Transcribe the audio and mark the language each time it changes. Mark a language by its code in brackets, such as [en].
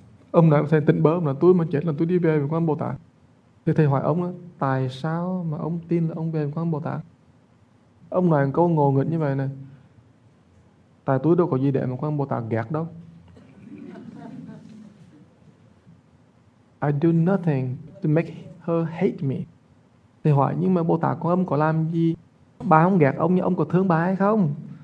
[vi] Ông nói thầy tỉnh bơ, ông nói tôi mà chết là tôi đi về với Quan Bồ Tát. Thì thầy hỏi ông đó, tại sao mà ông tin là ông về với Quan Bồ Tát? Ông nói câu ngồ nghịch như vậy nè. Tại tôi đâu có gì để mà Quan Bồ Tát ghét đâu. [en] I do nothing to make her hate me. [vi] Thầy hỏi, nhưng mà Bồ Tát của ông có làm gì? Bà không ghét ông, nhưng ông có thương bà hay không?